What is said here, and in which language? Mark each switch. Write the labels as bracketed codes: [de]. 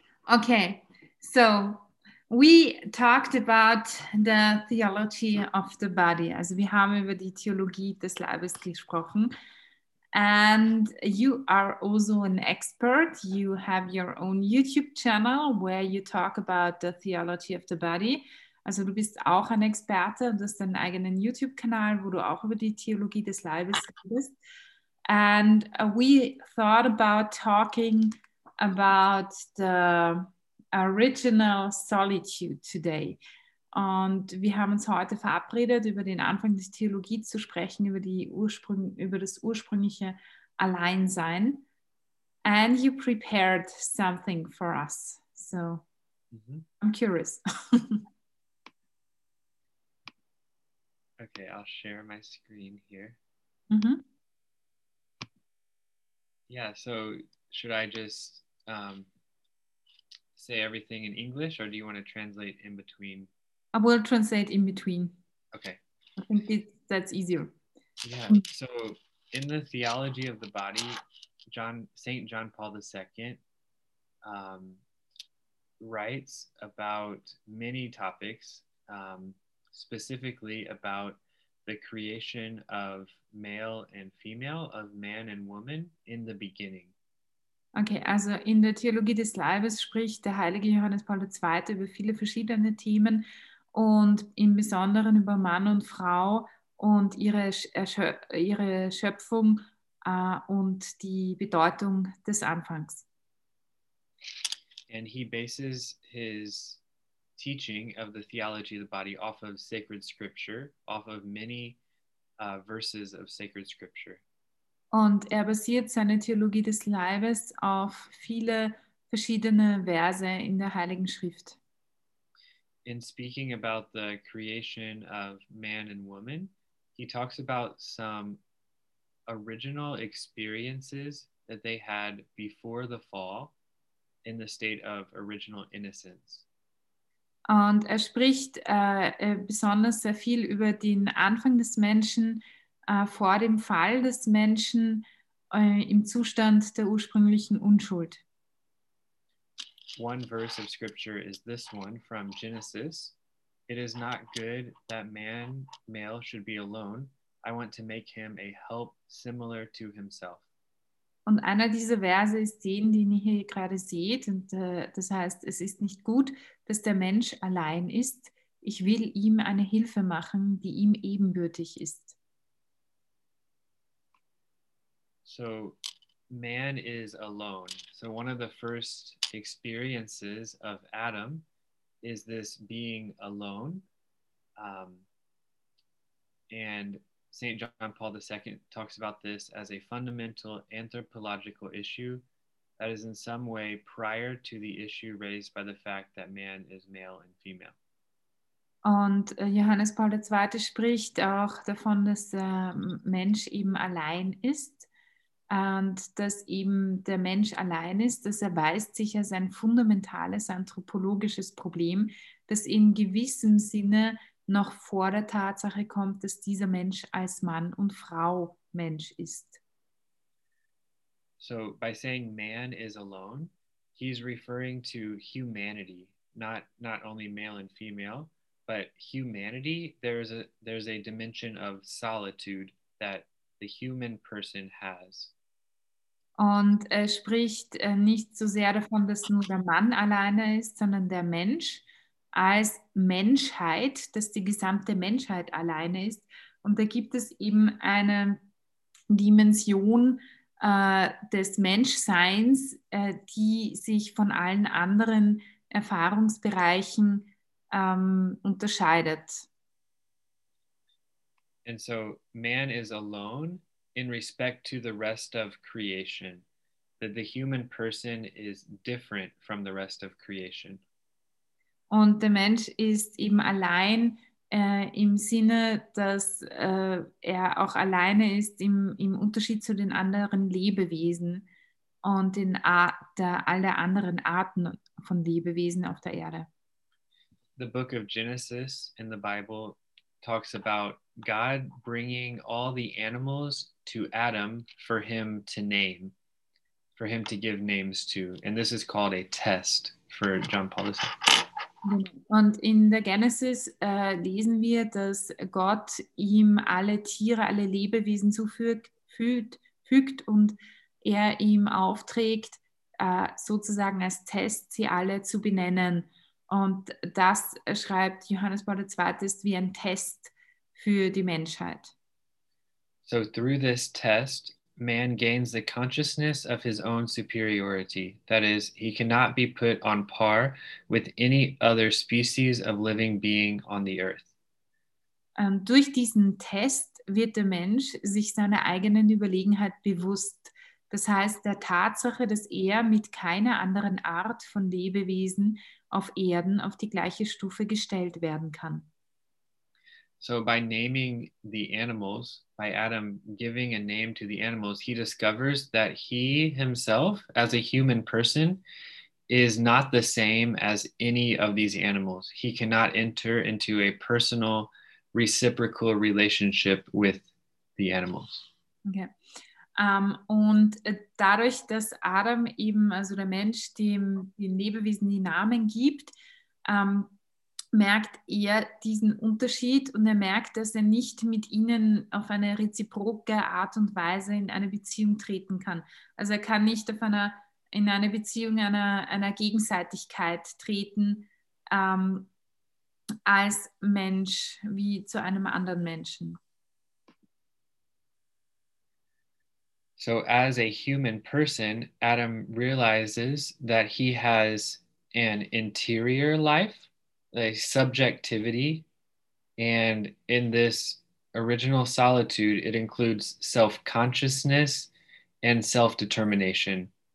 [en] Okay, so we talked about the theology of the body. [de] Also wir haben über die Theologie des Leibes gesprochen. [en] And you are also an expert. You have your own YouTube channel where you talk about the theology of the body. [de] Also du bist auch ein Experte und hast deinen eigenen YouTube-Kanal, wo du auch über die Theologie des Leibes redest. [en] And we thought about talking about the original solitude today. [de] Und wir haben uns heute verabredet, über den Anfang der Theologie zu sprechen, über das ursprüngliche Alleinsein. [en] And you prepared something for us. So, I'm curious. Okay, I'll share my screen here. Yeah, so should I just say everything in English, or do you want to translate in between? I will translate in between. Okay. I think that's easier. Yeah. So in the theology of the body, St. John Paul II writes about many topics, specifically about the creation of male and female, of man and woman in the beginning. [de] Okay, also in der Theologie des Leibes spricht der heilige Johannes Paul II. Über viele verschiedene Themen. Und im Besonderen über Mann und Frau und ihre Schöpfung und die Bedeutung des Anfangs. [en] And he bases his teaching of the theology of the body off of sacred scripture, off of many verses of sacred scripture. [de] Und er basiert seine Theologie des Leibes auf viele verschiedene Verse in der Heiligen Schrift. [en] In speaking about the creation of man and woman, he talks about some original experiences that they had before the fall in the state of original innocence. [de] Und er spricht besonders sehr viel über den Anfang des Menschen, vor dem Fall des Menschen, im Zustand der ursprünglichen Unschuld. [en] One verse of scripture is this one from Genesis. It is not good that man, male, should be alone. I want to make him a help similar to himself. [de] Und einer dieser Verse ist den, den ihr hier gerade seht. Und das heißt, es ist nicht gut, dass der Mensch allein ist. Ich will ihm eine Hilfe machen, die ihm ebenbürtig ist. [en] So, man is alone. So one of the first experiences of Adam is this being alone. And St. John Paul II talks about this as a fundamental anthropological issue that is in some way prior to the issue raised by the fact that man is male and female. [de] Und Johannes Paul II. Spricht auch davon, dass der Mensch eben allein ist und dass eben der Mensch allein ist, dass er weist sich als ein fundamentales anthropologisches Problem, das in gewissem Sinne noch vor der Tatsache kommt, dass dieser Mensch als Mann und Frau Mensch ist. [en] So by saying man is alone, he's referring to humanity, not only male and female, but humanity. There's a dimension of solitude that the human person has. [de] Und er spricht nicht so sehr davon, dass nur der Mann alleine ist, sondern der Mensch als Menschheit, dass die gesamte Menschheit alleine ist. Und da gibt es eben eine Dimension des Menschseins, die sich von allen anderen Erfahrungsbereichen unterscheidet. [en] And so man is alone in respect to the rest of creation, that the human person is different from the rest of creation. [de] Und der Mensch ist eben allein im Sinne, dass er auch alleine ist im Unterschied zu den anderen Lebewesen und in all der anderen Arten von Lebewesen auf der Erde. [en] The book of Genesis in the Bible talks about God bringing all the animals to Adam for him to name, for him to give names to. And this is called a test for John Paul II. [de] Und in der Genesis lesen wir, dass Gott ihm alle Tiere, alle Lebewesen zufügt und er ihm aufträgt, sozusagen als Test, sie alle zu benennen. Und das, schreibt Johannes Paul II., ist wie ein Test für die Menschheit. [en] So through this test, man gains the consciousness of his own superiority. That is, he cannot be put on par with any other species of living being on the earth. [de] Durch diesen Test wird der Mensch sich seiner eigenen Überlegenheit bewusst. Das heißt, der Tatsache, dass er mit keiner anderen Art von Lebewesen auf Erden auf die gleiche Stufe gestellt werden kann. [en] So by naming the animals, by Adam giving a name to the animals, he discovers that he himself, as a human person, is not the same as any of these animals. He cannot enter into a personal, reciprocal relationship with the animals. Okay. [de] Und dadurch, dass Adam eben, also der Mensch, den Lebewesen die Namen gibt, merkt er diesen Unterschied und er merkt, dass er nicht mit ihnen auf eine reziproke Art und Weise in eine Beziehung treten kann. Also er kann nicht in eine Beziehung einer Gegenseitigkeit treten als Mensch wie zu einem anderen Menschen. [en] So as a human person, Adam realizes that he has an interior life, a subjectivity, and in this original solitude, it includes self-consciousness and self-determination.